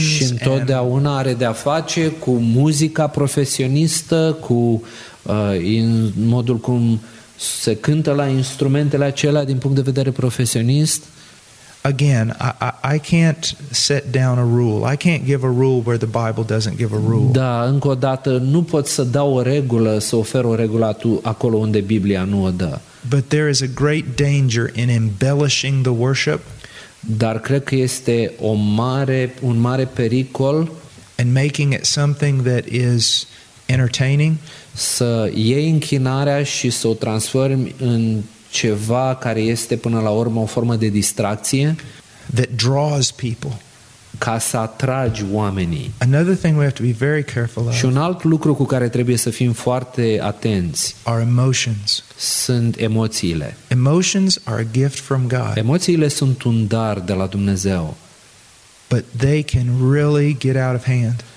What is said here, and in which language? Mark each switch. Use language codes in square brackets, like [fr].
[ro] Și întotdeauna are de-a face cu muzica profesionistă, cu în modul cum se cântă la instrumentele acelea din punct de vedere profesionist. [en] Again, I can't set down a rule. I can't give a rule where the Bible doesn't give a rule. [ro] Da, încă o dată, nu pot să dau o regulă, să ofer o regulă acolo unde Biblia nu o dă. [en] But there is a great danger in embellishing the worship. [ro] Dar cred că este un mare pericol [en] and making it something that is entertaining. [ro] Să iei închinarea și să o transformi în ceva care este până la urmă o formă de distracție, [en] that draws people, [ro] ca să atragi oamenii. [en] Another thing we have to be very careful of. [ro] Și un alt lucru cu care trebuie să fim foarte atenți. [en] Are emotions. [ro] Sunt emoțiile. [en] Emotions are a gift from God. [ro] Emoțiile sunt un dar de la Dumnezeu. [en] But they can really get out of hand.